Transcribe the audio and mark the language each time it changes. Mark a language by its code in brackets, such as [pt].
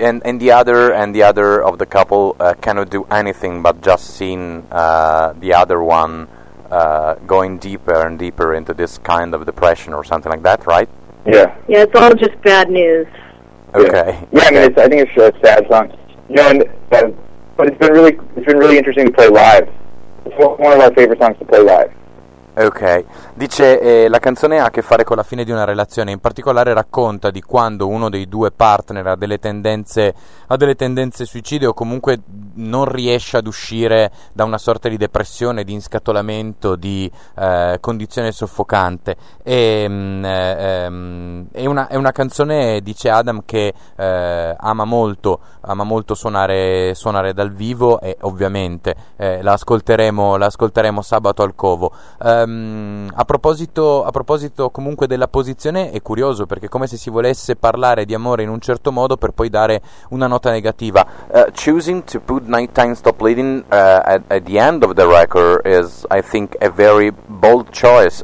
[en] And the other of the couple cannot do anything but just seeing the other one going deeper and deeper into this kind of depression or something like that, right? Yeah, it's all just bad news. Okay. Yeah, I mean, I think it's a sad song. You know, but it's been really interesting to play live. It's one of our favorite songs to play live. [it] Ok, dice la canzone ha a che fare con la fine di una relazione, in particolare racconta di quando uno dei due partner ha delle tendenze suicide, o comunque non riesce ad uscire da una sorta di depressione, di inscatolamento, di condizione soffocante. E, è una canzone, dice Adam, che ama molto suonare dal vivo, e ovviamente la ascolteremo sabato al Covo. A proposito comunque della posizione, è curioso perché è come se si volesse parlare di amore in un certo modo per poi dare una nota negativa. [en] Choosing to put Nighttime Stop Bleeding at the end of the record is, I think, a very bold choice.